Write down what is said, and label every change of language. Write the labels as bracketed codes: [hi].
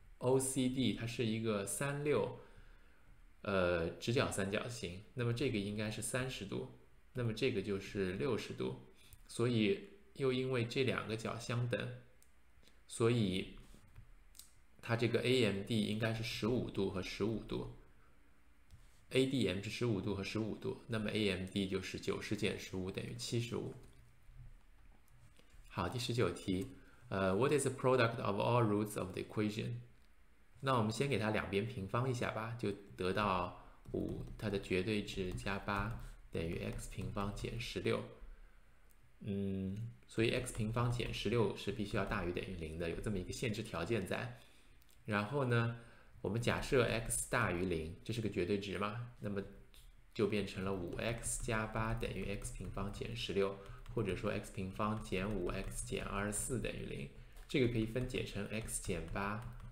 [zh] OCD 它是一个36，直角三角形，那么这个应该是30度，那么这个就是60度，所以又因为这两个角相等，所以它这个 AMD 应该是15度和15度，ADM 是15度和15度，那么 AMD 就是90减15等于75。好，第19题， [en] what is the product of all roots of the equation？ [zh] 那我们先给它两边平方一下吧，就得到五，它的绝对值加八等于 x 平方减16。所以 x 平方减16是必须要大于等于零的，有这么一个限制条件在。然后呢，我们假设 x 大于零，这是个绝对值嘛，那么就变成了5x 加八等于 x 平方减16，或者说 x 平方减5x 减24等于零，这个可以分解成 x 减八。